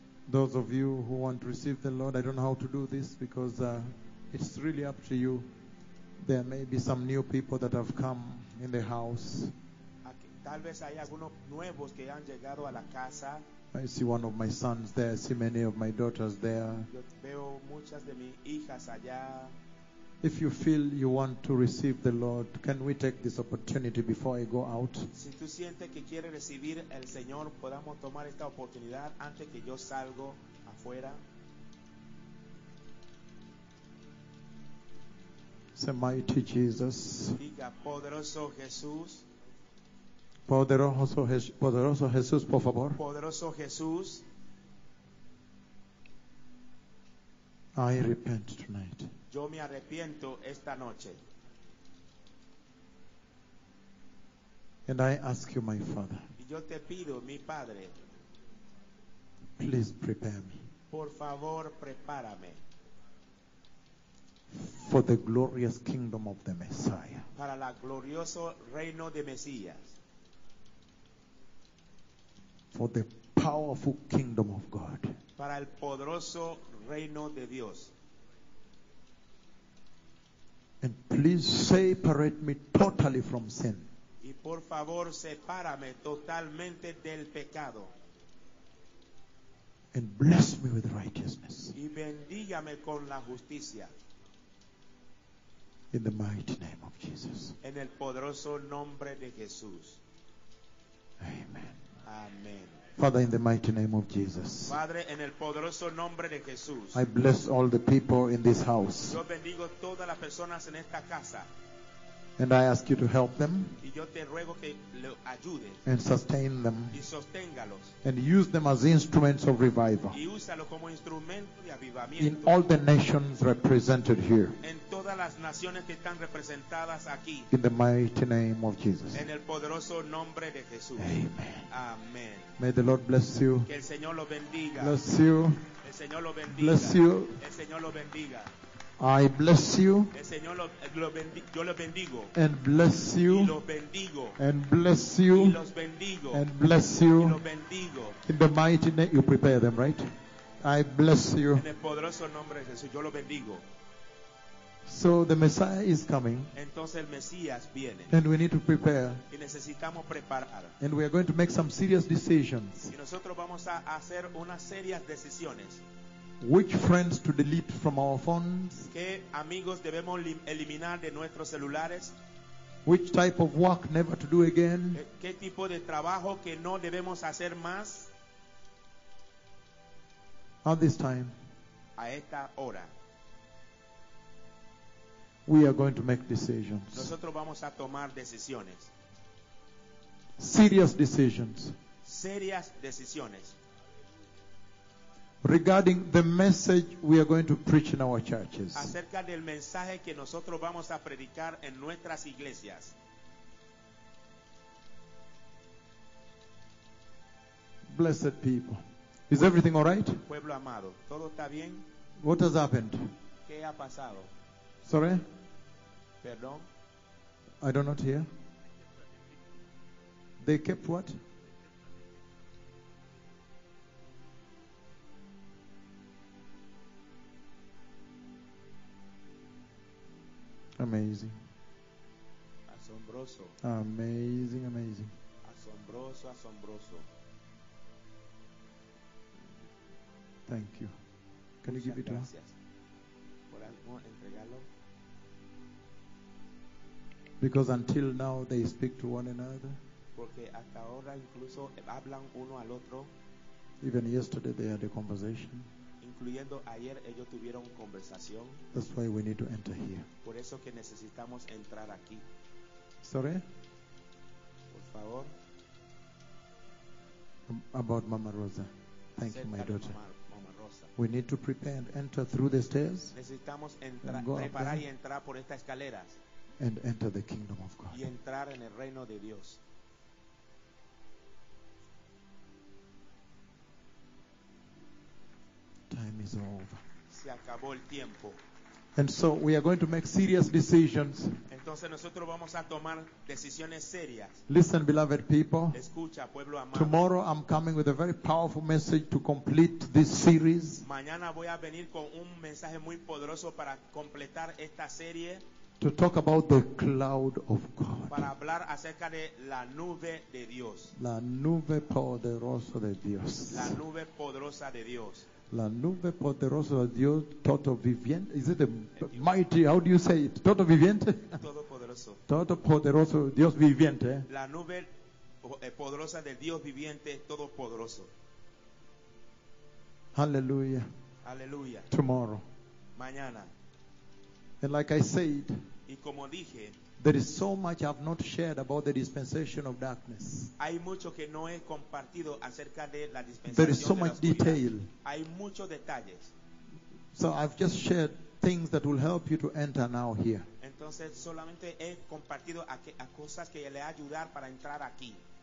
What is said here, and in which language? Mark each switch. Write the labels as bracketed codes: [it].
[en] Those of you who want to receive the Lord, I don't know how to do this because it's really up to you. There may be some new people that have come in the house. [es] Tal vez hay algunos nuevos que han llegado a la casa. [en] I see one of my sons there. I see many of my daughters there. [es] Yo veo muchas de mis hijas allá. [en] If you feel you want to receive the Lord, can we take this opportunity before I go out? [es] Si tú sientes que quieres recibir el Señor, podamos tomar esta oportunidad antes que yo salgo afuera. [en] Say, mighty Jesus. [es] Diga, poderoso Jesús. Poderoso Jesús, por favor. Poderoso Jesús. [en] I repent tonight. [es] Yo me arrepiento esta noche. [en] And I ask you, my Father. [es] Y yo te pido, mi Padre. [en] Please prepare me. [es] Por favor, prepárame. [en] For the glorious kingdom of the Messiah. [es] Para el glorioso reino de Mesías. [en] For the powerful kingdom of God. [es] Para el poderoso reino de Dios. [en] And please separate me totally from sin. [es] Y por favor, sepárame totalmente del pecado. [en] And bless me with righteousness. [es] Y bendígame con la justicia. [en] In the mighty name of Jesus. [es] En el poderoso nombre de Jesús. [en] Amen. [es] Amen. [en] Father, in the mighty name of Jesus. [es] Padre, en el poderoso nombre de Jesús. [en] I bless all the people in this house. [es] Yo bendigo todas las personas en esta casa. [en] And I ask you to help them. [es] Y yo te ruego que lo ayude. [en] And sustain them. [es] Y sosténgalos. [en] And use them as instruments of revival. [es] Y úsalo como instrumento de avivamiento. [en] In all the nations represented here. [es] En todas las naciones que están representadas aquí. [en] In the mighty name of Jesus. [es] En el poderoso nombre de Jesús. [en] Amen. May the Lord bless you. [es] Que el Señor lo bendiga. [en] Bless you. [es] El Señor lo bendiga. [en] Bless you. [es] El Señor lo bendiga. [en] I bless you. [es] El Señor lo bendigo. [en] And bless you. [es] Y lo bendigo. [en] And bless you. [es] Y los bendigo. [en] And bless you. [es] Y lo bendigo. [en] In the mighty name, you prepare them, right? I bless you. [es] En el poderoso nombre de Jesús, yo lo bendigo. [en] So the Messiah is coming. [es] Entonces el Mesías viene. [en] And we need to prepare. [es] Y necesitamos preparar. [en] And we are going to make some serious decisions. [es] Y nosotros vamos a hacer unas serias decisiones. [en] Which friends to delete from our phones? [es] ¿Qué amigos debemos eliminar de nuestros celulares? [en] Which type of work never to do again? [es] ¿Qué tipo de trabajo que no debemos hacer más? [en] At this time, [es] a esta hora, [en] we are going to make decisions. [es] Nosotros vamos a tomar decisiones. [en] Serious decisions. [es] Serias decisiones. [en] Regarding the message we are going to preach in our churches. [es] Acerca del mensaje que nosotros vamos a predicar en nuestras iglesias. [en] Blessed people. Is everything all right? [es] Pueblo amado, ¿todo está bien? [en] What has happened? [es] ¿Qué ha pasado? [en] Sorry? [es] Perdón. [en] I do not hear. They kept what? Amazing. [es] Asombroso. [en] Amazing, amazing. [es] Asombroso, asombroso. [en] Thank you. Can [es] Muchas [en] you give it [es] gracias. [en] To us? [es] Por algo entregarlo. [en] Because until now they speak to one another. [es] Porque hasta ahora incluso hablan uno al otro. [en] Even yesterday they had a conversation. [es] Incluyendo ayer ellos tuvieron conversación. [en] That's why we need to enter here. [es] Por eso que necesitamos entrar aquí. [en] Sorry? [es] Por favor. [en] About Mama Rosa. Thank [es] Acerca [en] you, my daughter. [es] Mama Rosa. [en] We need to prepare and enter through the stairs. [es] Necesitamos preparar y entrar por estas escaleras. [en] And enter the kingdom of God. [es] Y entrar en el reino de Dios. [en] Time is over. [es] Se acabó el tiempo. [en] And so we are going to make serious decisions. [es] Entonces nosotros vamos a tomar decisiones serias. [en] Listen, beloved people. [es] Escucha, pueblo amado. [en] Tomorrow I'm coming with a very powerful message to complete this series. [es] Mañana voy a venir con un mensaje muy poderoso para completar esta serie. To talk about the cloud of God. Para hablar acerca de la nube de Dios. La nube poderosa de Dios. La nube poderosa de Dios. La nube poderosa de Dios, todo viviente. [en] Is it a mighty? How do you say it? [es] Todo viviente. Todo poderoso. Todo poderoso, Dios viviente. La nube poderosa de Dios viviente, todo poderoso. [en] Hallelujah. [es] Hallelujah. [en] Tomorrow. [es] Mañana. [en] And like I said, [es] y como dije, [en] there is so much I have not shared about the dispensation of darkness. [es] Hay mucho que no he compartido acerca de la dispensación. [en] There is so [es] de [en] much detail. [es] Hay mucho detalles. [en] So I've just shared things that will help you to enter now here. [es] Entonces solamente he compartido a cosas que le ayudar para entrar aquí.